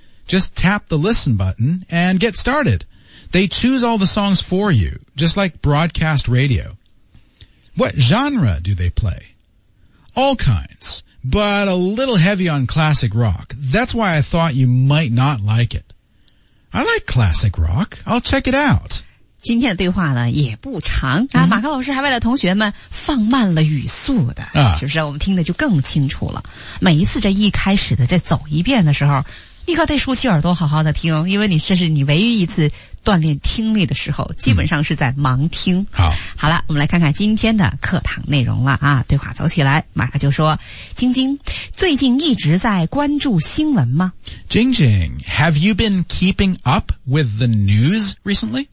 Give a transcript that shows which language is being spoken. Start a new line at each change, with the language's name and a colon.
English: Just tap the listen button and get started. They choose all the songs for you, just like broadcast radio. What genre do they play? All kinds, but a little heavy on classic rock. That's why I thought you might not like it. I like classic rock. I'll check it out.
Chinese: 今天的对话呢也不长啊，马克老师还为了同学们放慢了语速的，是不是？我们听的就更清楚了。每一次这一开始的这走一遍的时候，你可得竖起耳朵好好的听，因为你这是你唯一一次锻炼听力的时候，基本上是在盲听。好了，我们来看看今天的课堂内容了啊。对话走起来，马克就说：“晶晶，最近一直在关注新闻吗？”
English: 晶晶 ，Have you been keeping up with the news recently？